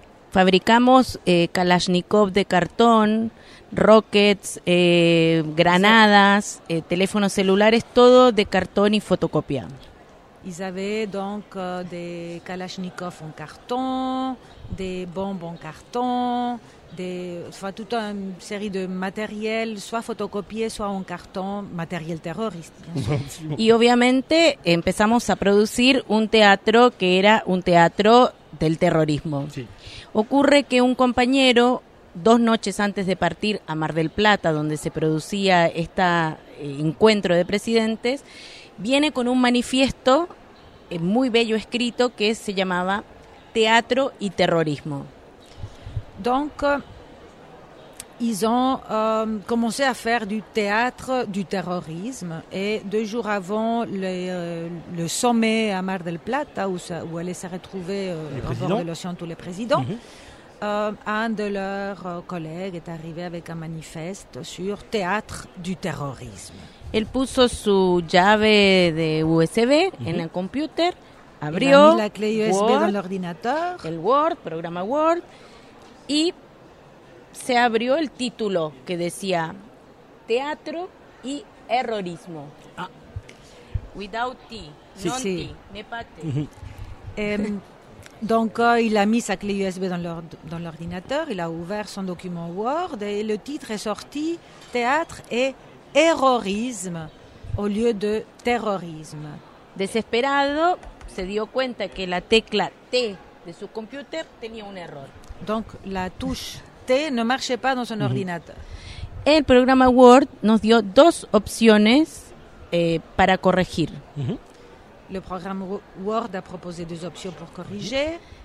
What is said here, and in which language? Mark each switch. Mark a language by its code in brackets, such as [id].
[es] Fabricamos Kalashnikov de cartón, rockets, granadas, teléfonos celulares, todo de cartón y fotocopia. [fr] Ils avaient donc des kalachnikovs en carton, des bombes en carton, toute une série de matériel, soit photocopié, soit en carton, matériel terroriste. [es] Y obviamente empezamos a producir un teatro que era un teatro del terrorismo. Sí. Ocurre que un compañero, dos noches antes de partir a Mar del Plata, donde se producía este encuentro de presidentes, viene con un manifiesto muy bello escrito que se llamaba Teatro y Terrorismo. [fr] Donc, ils ont commencé à faire du théâtre du terrorisme et deux jours avant le sommet à Mar del Plata où allaient se retrouver au bord de l'océan tous les présidents, un de leurs collègues est arrivé avec un manifeste sur Théâtre du terrorisme. [es] Él puso su llave de USB en el computer, abrió [fr] la clé USB Word, dans l'ordinateur, [es] el Word, programa Word, y se abrió el título que decía Teatro y Errorismo. Ah. [en] Without T, [es] sí, [fr] non [es] sí. [fr] T, ne pas T. Donc, il a mis sa clé USB dans l'ordinateur, il a ouvert son document Word et le titre est sorti Théâtre et Errorisme au lieu de terrorisme. [es] Desesperado, se dio cuenta que la tecla T de su computer tenía un error. [fr] Donc, la touche T ne marchait pas dans son ordinateur. [es] El programa Word nos dio dos opciones para corregir. [fr] Le programme Word a proposé deux options pour corriger.